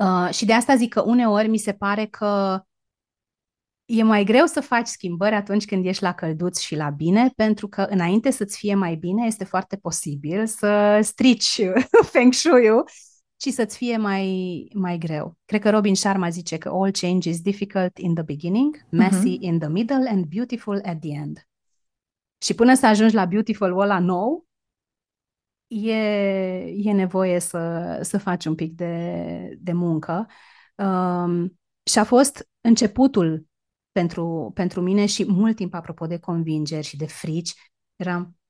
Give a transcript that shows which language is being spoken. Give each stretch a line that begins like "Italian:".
Romanian: Și de asta zic că uneori mi se pare că e mai greu să faci schimbări atunci când ești la călduț și la bine, pentru că înainte să-ți fie mai bine, este foarte posibil să strici feng shui-ul și să-ți fie mai greu. Cred că Robin Sharma zice că
English: all change is difficult in the beginning, messy in the middle and beautiful at the end.
Romanian: Și până să ajungi la beautiful ăla nou, e nevoie să faci un pic de muncă. Și a fost începutul pentru mine și mult timp, apropo de convingeri și de frici, eram...